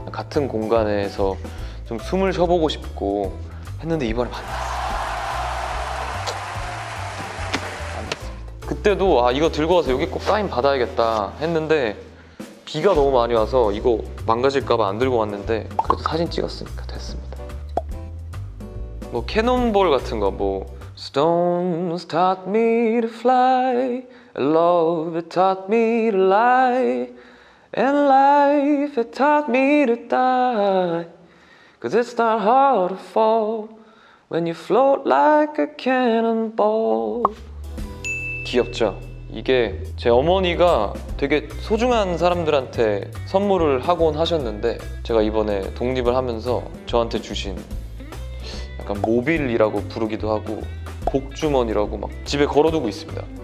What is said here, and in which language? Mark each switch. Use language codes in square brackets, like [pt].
[ko] 같은 공간에서 좀 숨을 쉬어보고 싶고 했는데 이번에 만났습니다. 그때도 아 이거 들고 와서 여기 꼭 사인 받아야겠다 했는데 비가 너무 많이 와서 이거 망가질까봐 안 들고 왔는데 그래도 사진 찍었으니까 됐습니다. 뭐 캐논볼 같은 거 뭐 [en] Storms taught me to fly, love taught me to lie, and life taught me to die. Cause it's not hard to fall when you float like a cannonball. [ko] 귀엽죠? 이게 제 어머니가 되게 소중한 사람들한테 선물을 하곤 하셨는데 제가 이번에 독립을 하면서 저한테 주신 약간 모빌이라고 부르기도 하고 복주머니라고 막 집에 걸어두고 있습니다.